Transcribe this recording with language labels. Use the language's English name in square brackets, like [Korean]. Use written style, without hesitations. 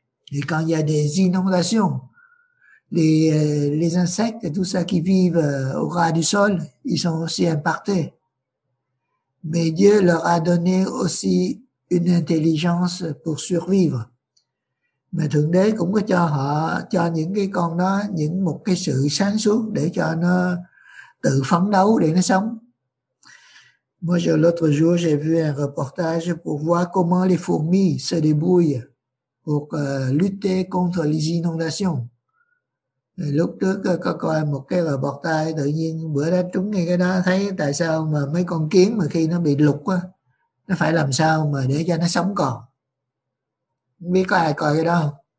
[Vietnamese] Thì [French] quand il y a des inondations, les insectes et tout ça qui vivent au ras du sol, ils sont aussi impactés. Mais Dieu leur a donné aussi une intelligence pour survivre. [Vietnamese] Mà Thượng Đế cũng có cho họ, cho những cái con đó những một cái sự sáng suốt để cho nó tự phấn đấu để nó sống. [French] Moi, l'autre jour, j'ai vu un reportage pour voir comment les fourmis se débrouillent pour lutter contre les inondations. [Vietnamese] Lúc trước có coi một cái reportage, tự nhiên bữa đó trúng ngay cái đó, thấy tại sao mà mấy con kiến mà khi nó bị lụt á, nó phải làm sao mà để cho nó sống còn. Không biết có ai coi cái đó không?